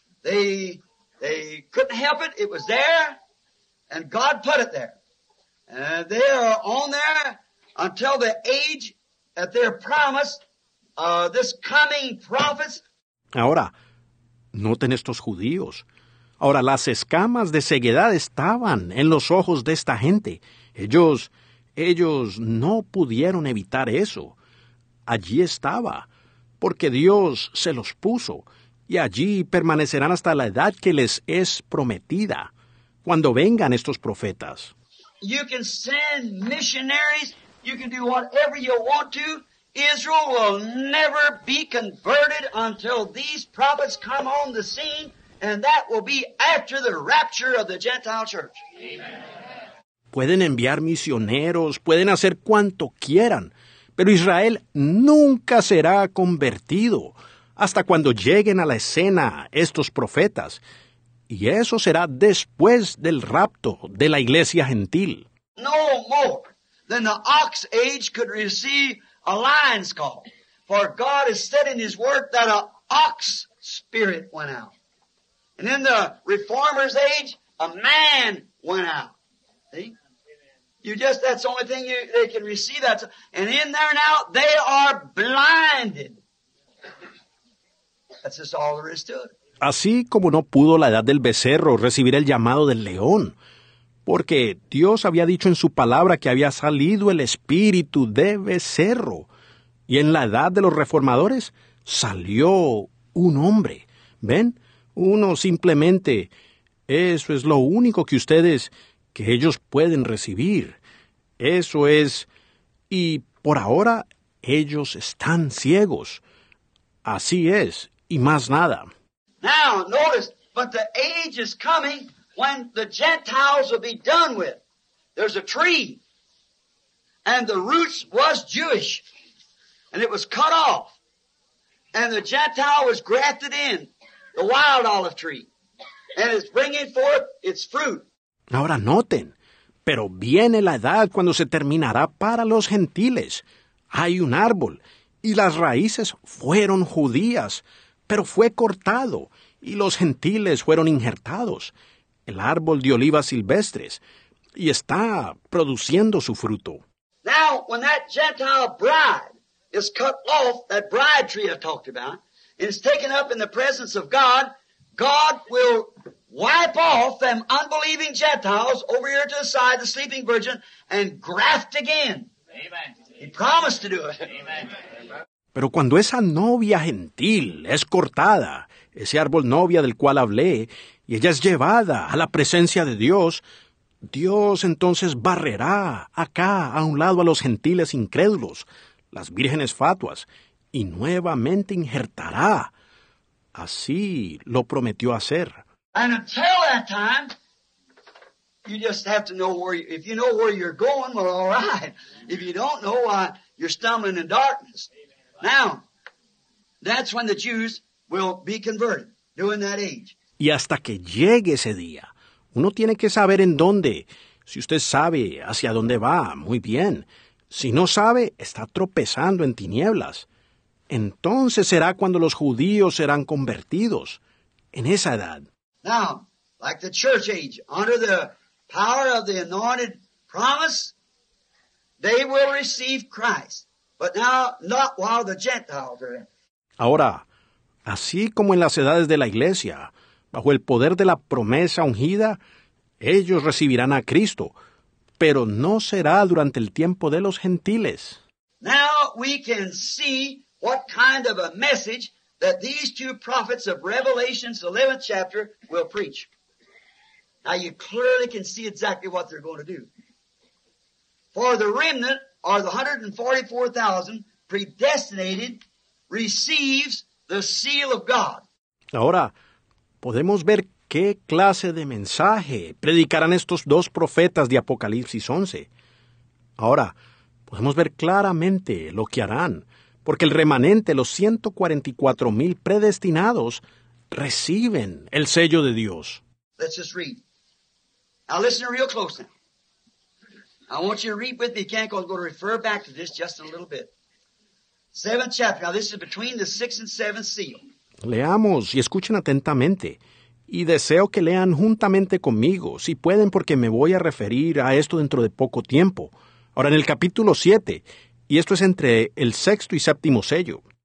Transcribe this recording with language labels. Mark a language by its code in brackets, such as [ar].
[en] They couldn't help it. It was there, and God put it there. And they are on there until the age that they're promised, this coming prophets. [es] Ahora, noten estos judíos. Ahora, las escamas de ceguedad estaban en los ojos de esta gente. Ellos no pudieron evitar eso. Allí estaba, porque Dios se los puso, y allí permanecerán hasta la edad que les es prometida, cuando vengan estos profetas. [en] You can send missionaries, you can do whatever you want to. Israel will never be converted until these prophets come on the scene, and that will be after the rapture of the Gentile church. Amen. [es] Pueden enviar misioneros, pueden hacer cuanto quieran, pero Israel nunca será convertido hasta cuando lleguen a la escena estos profetas. Y eso será después del rapto de la iglesia gentil. [en] No more than the ox age could receive a lion's call. For God has said in his word that an ox spirit went out. And in the reformer's age, a man went out. See? That's the only thing they can receive. That. And in there now, they are blinded. That's just all there is to it. [es] Así como no pudo la edad del becerro recibir el llamado del león, porque Dios había dicho en su palabra que había salido el espíritu de becerro, y en la edad de los reformadores salió un hombre. ¿Ven? Uno simplemente, eso es lo único que ustedes, que ellos pueden recibir. Eso es, y por ahora ellos están ciegos. Así es, y más nada. [en] Now, notice, but the age is coming when the Gentiles will be done with. There's a tree, and the roots was Jewish, and it was cut off, and the Gentile was grafted in, the wild olive tree, and it's bringing forth its fruit. [es] Ahora noten, pero viene la edad cuando se terminará para los gentiles. Hay un árbol, y las raíces fueron judías, pero fue cortado, y los gentiles fueron injertados. El árbol de olivas silvestres, y está produciendo su fruto. [en] Now, when that Gentile bride is cut off, that bride tree I talked about, and is taken up in the presence of God, God will wipe off them unbelieving Gentiles over here to the side, the sleeping virgin, and graft again. Amen. He promised to do it. Amen. [es] Pero cuando esa novia gentil es cortada, ese árbol novia del cual hablé, y ella es llevada a la presencia de Dios, Dios entonces barrerá acá a un lado a los gentiles incrédulos, las vírgenes fatuas, y nuevamente injertará. Así lo prometió hacer. [en] And until that time, you just have to know where you, if you know where you're going, well, all right. If you don't know, why you're stumbling in darkness. Now, that's when the Jews will be converted, during that age. [es] Y hasta que llegue ese día, uno tiene que saber en dónde. Si usted sabe hacia dónde va, muy bien. Si no sabe, está tropezando en tinieblas. Entonces será cuando los judíos serán convertidos, en esa edad. [en] Now, like the church age, under the power of the anointed promise, they will receive Christ. But now, not while the Gentiles are in. [es] Ahora, así como en las edades de la iglesia, bajo el poder de la promesa ungida, ellos recibirán a Cristo, pero no será durante el tiempo de los gentiles. [en] Now we can see what kind of a message that these two prophets of Revelation's 11th chapter will preach. Now you clearly can see exactly what they're going to do. For the remnant, or the 144,000 predestinated, receives the seal of God. [es] Ahora, podemos ver qué clase de mensaje predicarán estos dos profetas de Apocalipsis 11. Ahora, podemos ver claramente lo que harán, porque el remanente, los 144,000 predestinados, reciben el sello de Dios. [en] Let's just read. Now listen real close now. I want you to read with me again, because I'm going to refer back to this just a little bit. Seventh chapter. Now this is between the sixth and seventh seal. [es] Leamos y escuchen atentamente, y deseo que lean juntamente conmigo, si pueden, porque me voy a referir a esto dentro de poco tiempo. Ahora, en el capítulo 7, y esto es entre el sexto y séptimo sello.